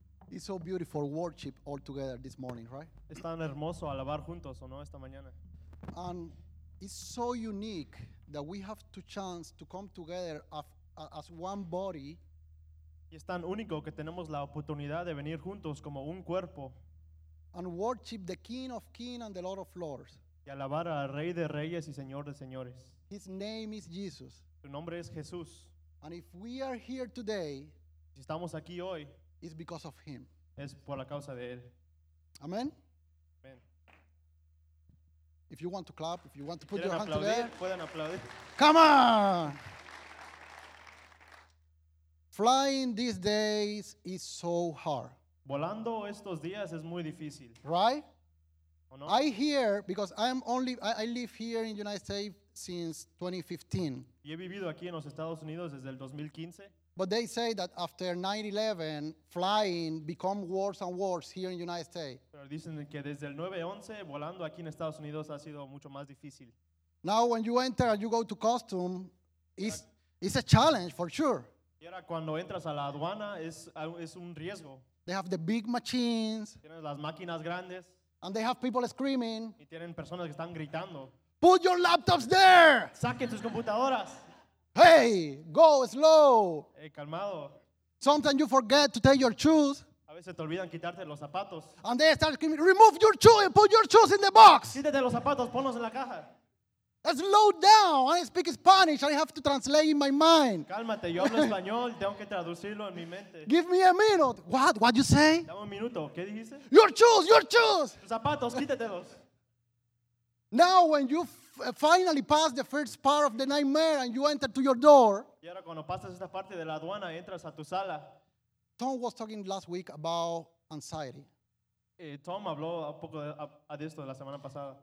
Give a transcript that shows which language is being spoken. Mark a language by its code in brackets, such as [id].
[en] It's so beautiful worship all together this morning, right? [es] Es tan hermoso alabar juntos, ¿o no, esta mañana? [en] And it's so unique that we have the chance to come together as one body. [es] Y es tan único que tenemos la oportunidad de venir juntos como un cuerpo. [en] And worship the King of Kings and the Lord of Lords. [es] Y alabar al Rey de Reyes y Señor de Señores. [en] His name is Jesus. [es] Su nombre es Jesús. [en] And if we are here today, [es] si estamos aquí hoy, [en] it's because of him. [es] Es por la causa de él. [en] Amen. [es] Amen. [en] If you want to clap, if you want to [es] si [en] put your [es] aplaudir, [en] hand together, [es] pueden aplaudir. [en] Come on! Flying these days is so hard. [es] Volando estos días es muy difícil. [en] Right? [es] ¿O no? [en] I hear, because I live here in the United States since 2015. [es] Y he vivido aquí en los Estados Unidos desde el 2015. [en] But they say that after 9/11, flying become worse and worse here in the United States. [es] Pero dicen que desde el 9/11, volando aquí en Estados Unidos ha sido mucho más difícil. [en] Now when you enter and you go to custom, it's a challenge for sure. [es] Y ahora cuando entras a la aduana es un riesgo. [en] They have the big machines. [es] Tienen las máquinas grandes. [en] And they have people screaming. [es] Y tienen personas que están gritando. [en] Put your laptops there. [es] Saque tus computadoras. [en] Hey, go slow. [es] Hey, calmado. [en] Sometimes you forget to take your shoes. [es] A veces te olvidan quitarte los zapatos. [en] And they start screaming, remove your shoes and put your shoes in the box. [es] Quítate los zapatos, ponlos en la caja. [en] Slow down. I speak Spanish. I have to translate in my mind. [es] Cálmate, yo hablo español. Tengo que traducirlo en mi mente. [en] Give me a minute. What? What you say? [es] Dame un minuto. ¿Qué dijiste? [en] Your shoes. [es] Tus zapatos, quítatelos. [en] Now when you finally pass the first part of the nightmare and you enter to your door. [es] Y ahora cuando pasas esta parte de la aduana, entras a tu sala. [en] Tom was talking last week about anxiety. [es] Tom habló un poco de esto la semana pasada.